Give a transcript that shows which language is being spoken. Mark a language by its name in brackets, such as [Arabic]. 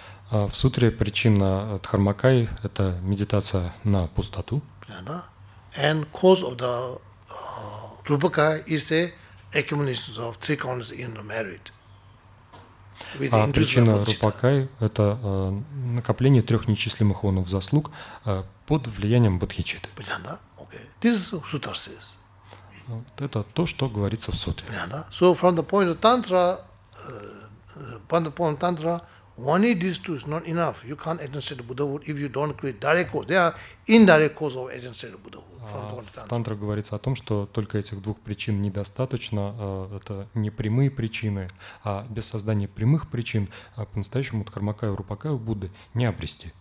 [Russian] В сутре причина Дхармакаи это медитация на пустоту. Да. [English] And course of the Rupakaya is a accumulation of three corners in the merit. [Russian] А причина Рупакаи – это накопление трех нечислимых онов заслуг под влиянием бодхичитты. Понятно? [English] Okay. This is what sutra says. [Russian] Вот это то, что говорится в сутре. Понятно? [English] So from the point of tantra, from the point of tantra, only these two is not enough. You can't attain the Buddhahood if you don't create direct cause. They are indirect cause of attaining the Buddhahood. [Russian] В тантре говорится о том, что только этих двух причин недостаточно. Это не прямые причины, а без создания прямых причин по-настоящему дхармакаю, рупакаю Будды не обрести.